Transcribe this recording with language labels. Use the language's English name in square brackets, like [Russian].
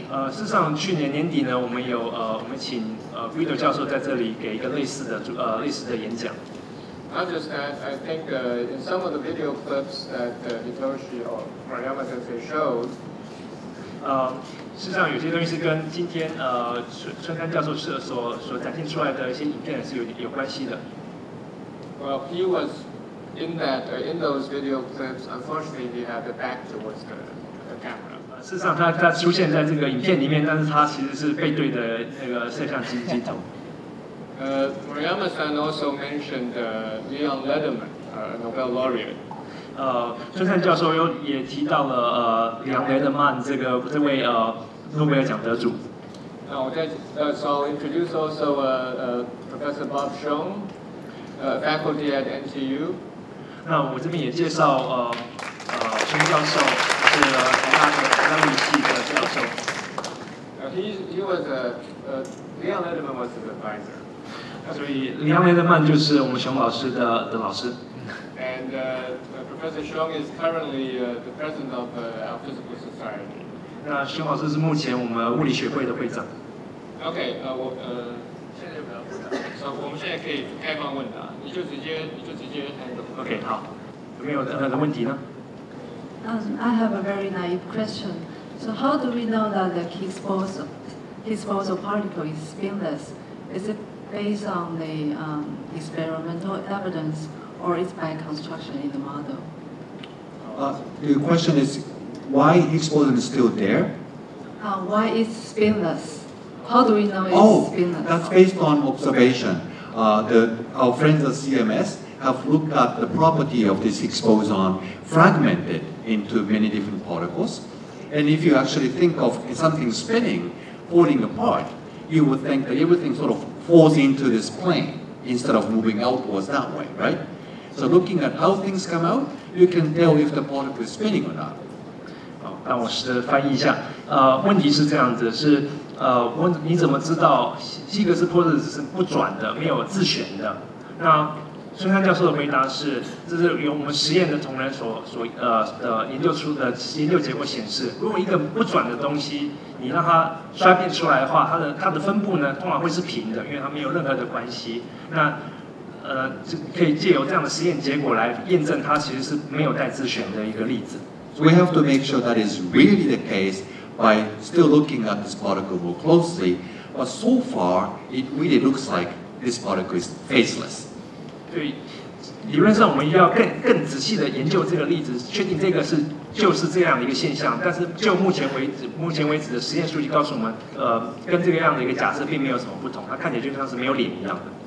[Chinese] 事实上去年年底呢，我们请Guido 教授在这里给一个类似的演讲。 [English] Not just that, I think in some of the video clips that Hiroshi or Mariama Sensei showed, [Chinese] 事实上有些东西是跟今天春山教授所展现出来的一些影片是有关系的。 [English] Well, he was. In that, in those video clips, unfortunately, he had the back towards the camera. [Chinese] 事实上，他出现在这个影片里面，但是他其实是背对的那个摄像机镜头。 [English] Mariama-san also mentioned Leon Lederman, Nobel laureate. [Chinese] 春山教授也提到了Leon Lederman这位诺贝尔奖得主。 [English] Now, that's all. Introduce also Professor Bob Shum, faculty at NTU. [Chinese] 那我这边也介绍陈教授是台大的台大物理系的教授。 [English] He was Leon Lederman was his advisor. [Chinese] 所以 Leon Lederman 就是我们熊老师的老师。 [English] And Professor Shung is currently the president of our physical society. [Chinese] 那熊老师是目前我们物理学会的会长。 Okay, 我我们现在可以开放问答，你就直接 handle。 OK， 好，有没有任何的问题呢？ [English] I have a very naive question. So how do we know that the Higgs boson particle is spinless? Is it based on the experimental evidence, or is it by construction in the model? The question is, why Higgs boson is still there? Why it's spinless? How do we know it's spinless? That's based on observation. Our friends at CMS have looked at the property of this Higgs boson fragmented into many different particles. And if you actually think of something spinning, falling apart, you would think that everything sort of falls into this plane instead of moving outwards that way, right? So looking at how things come out, you can tell if the particle is spinning or not. [Chinese] 让我试着翻译一下。问题是这样子，是你怎么知道希格斯波子是不转的，没有自旋的？那孙山教授的回答是，这是由我们实验的同仁所研究出的研究结果显示，如果一个不转的东西，你让它衰变出来的话，它的分布呢，通常会是平的，因为它没有任何的关系。那可以借由这样的实验结果来验证它其实是没有带自旋的一个例子。 [English] We have to make sure that is really the case. By still looking at this particle more closely, but so far it really looks like this particle is faceless. [Chinese] 对，理论上我们要更仔细的研究这个例子，确定这个是就是这样的一个现象。但是就目前为止的实验数据告诉我们，跟这个样的一个假设并没有什么不同，它看起来就像是没有脸一样的。